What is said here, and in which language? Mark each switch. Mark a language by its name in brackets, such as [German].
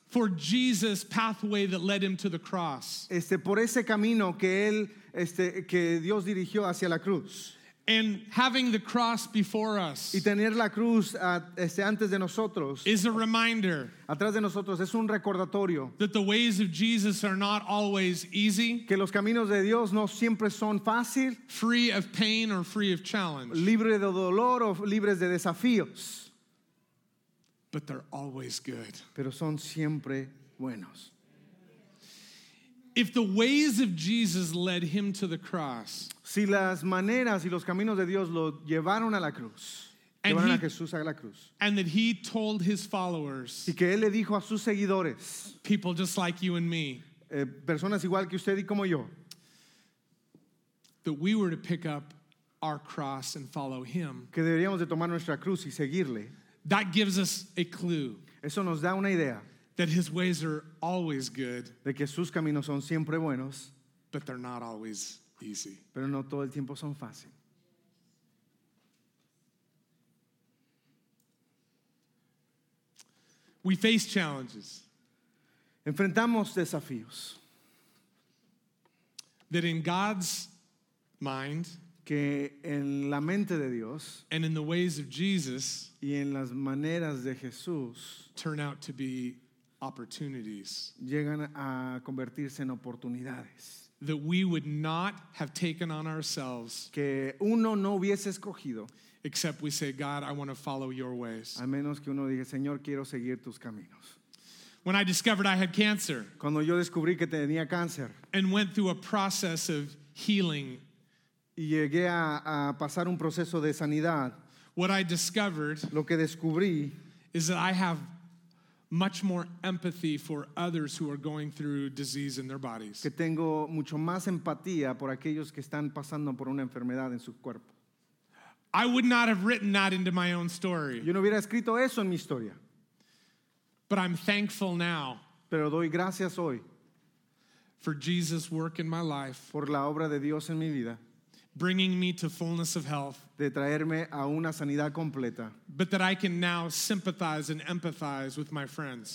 [English] For Jesus' pathway that led him to the cross. [Spanish] Por ese camino que él, que Dios dirigió hacia la cruz. [English] And having the cross before us. [Spanish] Y tener la cruz antes de nosotros. [English] Is a reminder. [Spanish] Atrás de nosotros es un recordatorio. [English] That the ways of Jesus are not always easy. [Spanish] Que los caminos de Dios no siempre son fácil. [English] Free of pain or free of challenge. [Spanish] Libre de dolor o libres de desafíos. [English] But they're always good. [Spanish] Pero son siempre buenos. [English] If the ways of Jesus led him to the cross, [Spanish] si las maneras y los caminos de Dios lo llevaron a la cruz, llevaron a Jesús a la cruz, [English] and that he told his followers, [Spanish] y que él le dijo a sus seguidores, [English] people just like you and me, [Spanish] personas igual que usted y como yo, [English] that we were to pick up our cross and follow him, [Spanish] que deberíamos de tomar nuestra cruz y seguirle. [English] That gives us a clue. [Spanish] Eso nos da una idea. [English] That his ways are always good. [Spanish] De que sus caminos son siempre buenos. [English] But they're not always easy. [Spanish] Pero no todo el tiempo son fácil. [English] We face challenges. [Spanish] Enfrentamos desafíos. [English] That in God's mind. [Spanish] Que en la mente de Dios. [English] And in the ways of Jesus. [Spanish] Y en las maneras de Jesús. [English] Turn out to be opportunities. [Spanish] Llegan a convertirse en oportunidades. [English] That we would not have taken on ourselves. [Spanish] Que uno no hubiese escogido. [English] Except we say, God, I want to follow your ways. [Spanish] A menos que uno diga, Señor, quiero seguir tus caminos. [English] When I discovered I had cancer. [Spanish] Cuando yo descubrí que tenía cáncer. [English] And went through a process of healing. [Spanish] Y llegué a pasar un proceso de sanidad. [English] What I discovered, [Spanish] lo que descubrí, [English] is that I have much more empathy for others who are going through disease in their bodies. [Spanish] Que tengo mucho más empatía por aquellos que están pasando por una enfermedad en su cuerpo. [English] I would not have written that into my own story. [Spanish] Yo no hubiera escrito eso en mi historia. [English] But I'm thankful now. [Spanish] Pero doy gracias hoy. [English] For Jesus' work in my life. [Spanish] Por la obra de Dios en mi vida. [English] Bringing me to fullness of health. [Spanish] De traerme a una sanidad completa. [English] But that I can now sympathize and empathize with my friends.